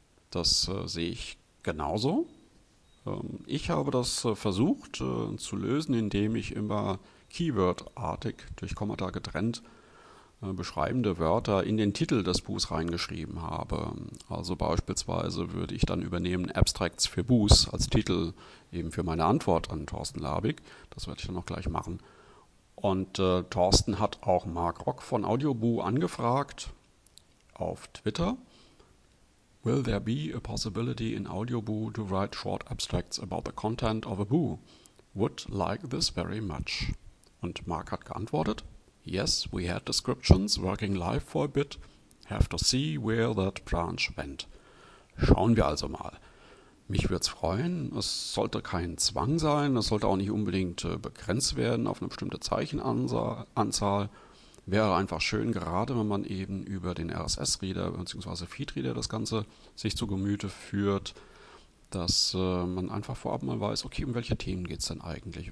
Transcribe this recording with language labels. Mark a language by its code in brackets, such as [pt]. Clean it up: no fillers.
[de] Das sehe ich genauso. Ich habe das versucht zu lösen, indem ich immer keywordartig durch Kommata getrennt beschreibende Wörter in den Titel des Buchs reingeschrieben habe. Also beispielsweise würde ich dann übernehmen Abstracts für Buß als Titel eben für meine Antwort an Thorsten Labik. Das werde ich dann noch gleich machen. Und Thorsten hat auch Mark Rock von Audioboo angefragt auf Twitter. [en] Will there be a possibility in Audioboo to write short abstracts about the content of a boo? Would like this very much. [de] Und Mark hat geantwortet. [en] Yes, we had descriptions working live for a bit. Have to see where that branch went. [de] Schauen wir also mal. Mich würde es freuen. Es sollte kein Zwang sein. Es sollte auch nicht unbedingt begrenzt werden auf eine bestimmte Zeichenanzahl. Wäre einfach schön, gerade wenn man eben über den RSS-Reader bzw. Feed-Reader das Ganze sich zu Gemüte führt, dass man einfach vorab mal weiß, okay, um welche Themen geht es denn eigentlich?